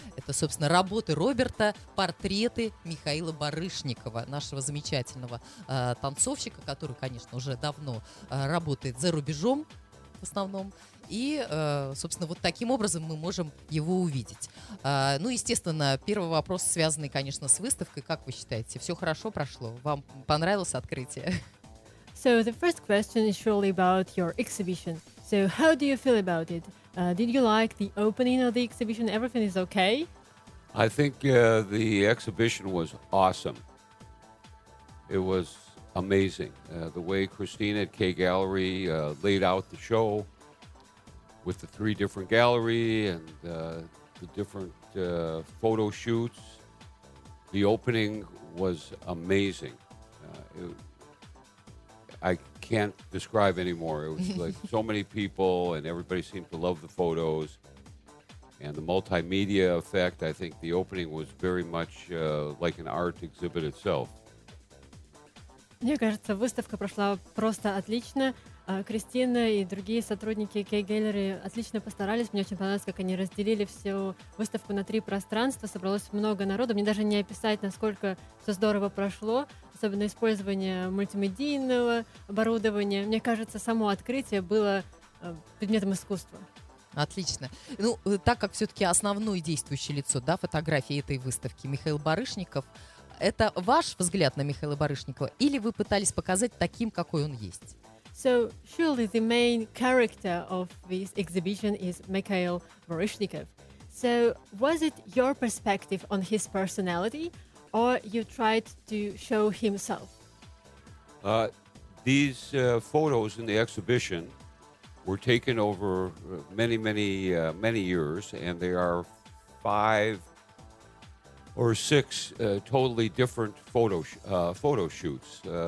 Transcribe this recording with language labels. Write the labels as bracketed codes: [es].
[ru] Это, собственно, работы Роберта, портреты Михаила Барышникова, нашего замечательного танцовщика, который, конечно, уже давно работает за рубежом в основном. И, собственно, вот таким образом мы можем его увидеть. Ну, естественно, первый вопрос, связанный, конечно, с выставкой. Как вы считаете, все хорошо прошло? Вам понравилось открытие? [en] So the first question is surely about your exhibition. So how do you feel about it? Did you like the opening of the exhibition? Everything is okay? I think the exhibition was awesome. It was amazing. The way Christine at Kay Gallery laid out the show with the three different gallery and the different photo shoots. The opening was amazing. I can't describe anymore. It was like so many people and everybody seemed to love the photos and the multimedia effect. I think the opening was very much like an art exhibit itself. [ru] Мне кажется, выставка прошла просто отлично. Кристина и другие сотрудники Kay Gallery отлично постарались. Мне очень понравилось, как они разделили всю выставку на три пространства. Собралось много народу. Мне даже не описать, насколько все здорово прошло. Особенно использование мультимедийного оборудования. Мне кажется, само открытие было предметом искусства. Отлично. Ну, так как все-таки основное действующее лицо, да, фотографии этой выставки Михаил Барышников, это ваш взгляд на Михаила Барышникова или вы пытались показать таким, какой он есть? [en] So surely the main character of this exhibition is Mikhail Baryshnikov. So was it your perspective on his personality or you tried to show himself? These photos in the exhibition were taken over many, many, many years and they are five or six totally different photo shoots.